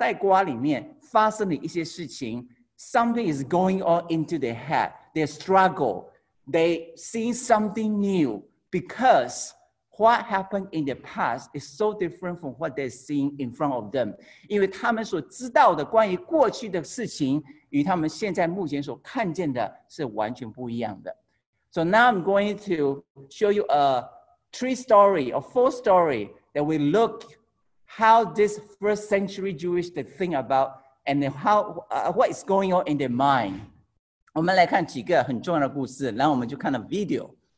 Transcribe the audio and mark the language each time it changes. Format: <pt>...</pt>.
<zh>所以今天我要讲的是从不同的角度一同来看，乃是第一世纪的这些犹太人，第一世纪这些门徒，他们手中的圣经就是摩西五经，他们如何看待他们眼中所发生的事情，一定在他们脑袋瓜里面发生了一些事情。</zh> <en>Something is going on into their head. They struggle. They see something new because what happened in the past is so different from what they're seeing in front of them.</en> <zh>因为他们所知道的关于过去的事情与他们现在目前所看见的是完全不一样的。</zh> <en>So now I'm going to show you a three story or four story that we look how this first century Jewish they think about and how what is going on in their mind.</en> <zh>我们来看几个很重要的故事，然后我们就看了video。</zh>